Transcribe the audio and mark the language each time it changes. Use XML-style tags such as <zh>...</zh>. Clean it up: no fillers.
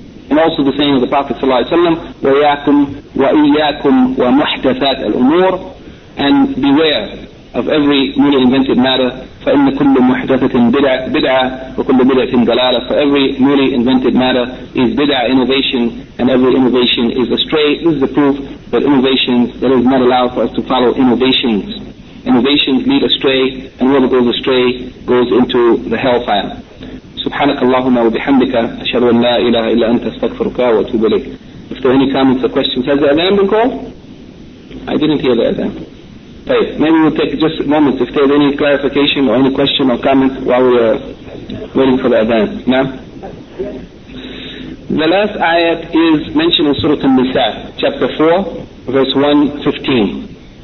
<en>And also the saying of the Prophet sallallahu alayhi wa sallam,</en> <ar>وَيَاكُمْ وَإِيَّاكُمْ وَمُحْدَثَاتِ الْأُمُورِ,</ar> <en>and beware of every newly invented matter,</en> <ar>فَإِنَّ كُلُّ مُحْدَثَةٍ بِدْعَةٍ وَكُلُّ بِدْعَةٍ دَلَالَةٍ,</ar> <en>for every newly invented matter is bid'ah, innovation, and every innovation is astray. This is the proof that innovations, that is not allowed for us to follow innovations. Innovations lead astray, and whoever goes astray goes into the hellfire.</en> <ar>سبحانك اللهم وبحمدك أشهد أن لا إله إلا أنت أستغفرك وأتوب إليك.</ar> <en>If there are any comments or questions, has the adhan been called? I didn't hear the adhan.</en> <ar>طيب,</ar> <en>maybe we'll take just a moment if there's any clarification or any question or comment while we're waiting for the adhan.</en> <ar>نعم.</ar> <en>The last ayat is mentioned in Surah An-Nisa, chapter 4, verse 115.</en>